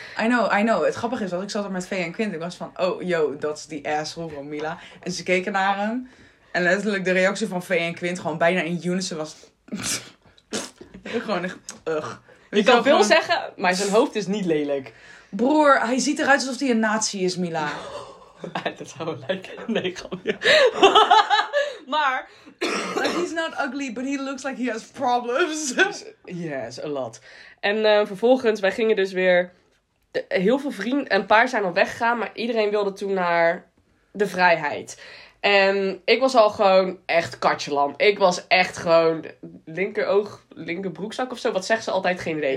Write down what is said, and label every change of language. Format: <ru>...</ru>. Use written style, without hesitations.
<en>I know.</en> <nl>Het grappige is dat ik zat er met Faye en Quint. Ik was van, oh, yo, dat is die asshole van Mila. En ze keken naar hem. En letterlijk de reactie van Faye en Quint, gewoon bijna in unison, was... gewoon echt, ugh. Je kan veel zeggen, maar zijn hoofd is niet lelijk. Broer, hij ziet eruit alsof hij een nazi is, Mila. Dat zou wel lijken. Nee, gewoon niet.</nl> <en>Maar, he's not ugly, but he looks like he has problems. Yes, a lot.</en> <nl>En vervolgens, wij gingen dus weer... heel veel vrienden, een paar zijn al weggegaan, maar iedereen wilde toen naar de vrijheid. En ik was al gewoon echt katjelam. Ik was echt gewoon linkeroog, linkerbroekzak of zo. Wat zeggen ze altijd? Geen idee.</nl>